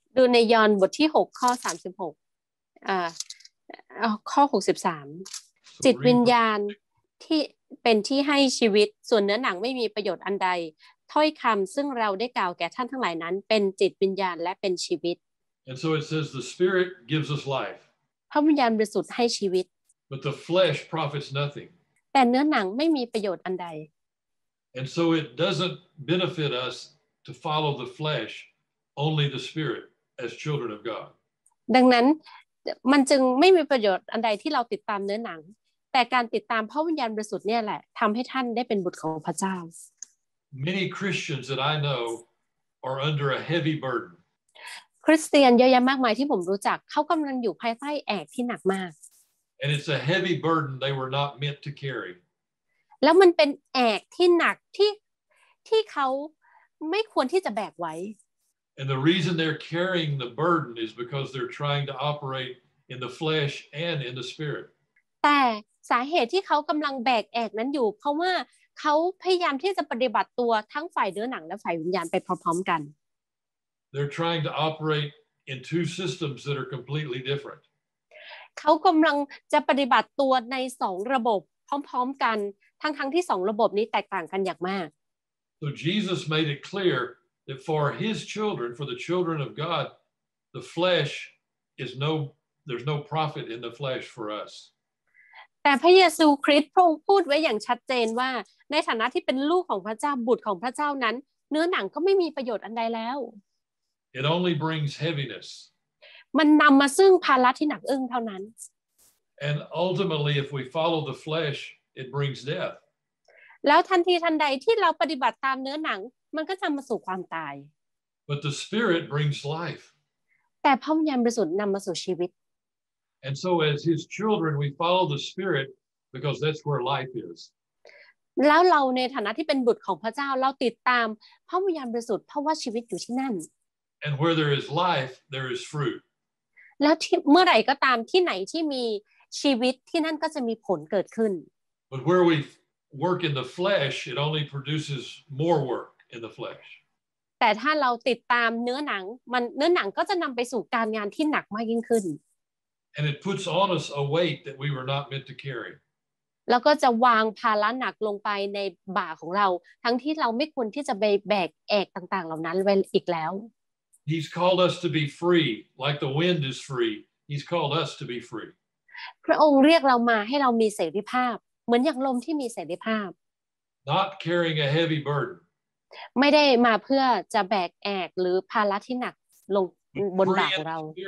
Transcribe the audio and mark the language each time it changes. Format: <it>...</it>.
<th>ดูในยอห์นบทที่6ข้อ36ข้อ63จิตวิญญาณที่เป็นที่ให้ชีวิตส่วนเนื้อหนังไม่มีประโยชน์อันใดถ้อยคำซึ่งเราได้กล่าวแก่ท่านทั้งหลายนั้นเป็นจิตวิญญาณและเป็นชีวิต</th> <en>And so it says the spirit gives us life</en> <th>พระวิญญาณบริสุทธิ์ให้ชีวิต</th> <en>But the flesh profits nothing</en> <th>แต่เนื้อหนังไม่มีประโยชน์อันใด</th> <en>And so it doesn't benefit us to follow the flesh only the spirit as children of God</en> <th>ดังนั้นมันจึงไม่มีประโยชน์อันใดที่เราติดตามเนื้อหนังแต่การติดตามพระวิญญาณบริสุทธิ์เนี่ยแหละทำให้ท่านได้เป็นบุตรของพระเจ้า</th> <en>Many Christians that I know are under a heavy burden.</en> <th>คริสเตียนเยอะแยะมากมายที่ผมรู้จักเขากำลังอยู่ภายใต้แอกที่หนักมาก</th> <en>And it's a heavy burden they were not meant to carry.</en> <th>แล้วมันเป็นแอกที่หนักที่เขาไม่ควรที่จะแบกไว้</th> <en>And the reason they're carrying the burden is because they're trying to operate in the flesh and in the spirit.</en> <th>แต่สาเหตุที่เขากำลังแบกแอกนั้นอยู่เพราะว่าเขาพยายามที่จะปฏิบัติตัวทั้งฝ่ายเนื้อหนังและฝ่ายวิญญาณไปพร้อมๆกัน</th> <en>They're trying to operate in two systems that are completely different.</en> <th>เขากำลังจะปฏิบัติตัวในสองระบบพร้อมๆกันทั้งๆที่สองระบบนี้แตกต่างกันอย่างมาก</th> <en>So Jesus made it clear that for his children, for the children of God, the flesh is no, there's no profit in the flesh for us.</en> <th>แต่พระเยซูคริสต์พูดไว้อย่างชัดเจนว่าในฐานะที่เป็นลูกของพระเจ้าบุตรของพระเจ้านั้นเนื้อหนังก็ไม่มีประโยชน์อันใดแล้ว</th> <en>It only brings heaviness</en> <th>มันนำมาซึ่งภาระที่หนักอึ้งเท่านั้น</th> <en>And ultimately if we follow the flesh it brings death</en> <th>แล้วทันทีทันใดที่เราปฏิบัติตามเนื้อหนังมันก็จะมาสู่ความตาย</th> <en>But the spirit brings life</en> <th>แต่พระวิญญาณบริสุทธิ์นำมาสู่ชีวิต</th> <en>And so as his children, we follow the Spirit because that's where life is.</en> <th>แล้วเราในฐานะที่เป็นบุตรของพระเจ้าเราติดตามพระวิญญาณบริสุทธิ์เพราะว่าชีวิตอยู่ที่นั่น</th> <en>And where there is life, there is fruit.</en> <th>แล้วเมื่อไหร่ก็ตามที่ไหนที่มีชีวิตที่นั่นก็จะมีผลเกิดขึ้น</th> <en>But where we work in the flesh, it only produces more work in the flesh.</en> <th>แต่ถ้าเราติดตามเนื้อหนังมันเนื้อหนังก็จะนำไปสู่การงานที่หนักมากยิ่งขึ้น</th> <en>And it puts on us a weight that we were not meant to carry.</en> <th>แล้วก็จะวางภาระหนักลงไปในบ่าของเราทั้งที่เราไม่ควรที่จะไปแบกแอกต่างๆเหล่านั้นไว้อีกแล้ว</th> <en>He's called us to be free, like the wind is free. He's called us to be free.</en> <th>พระองค์เรียกเรามาให้เรามีเสรีภาพเหมือนอย่างลมที่มีเสรีภาพ</th> <en>Not carrying a heavy burden.</en> <th>ไม่ได้มาเพื่อจะแบกแอกหรือภาระที่หนักลงบนบ่าของเรา</th>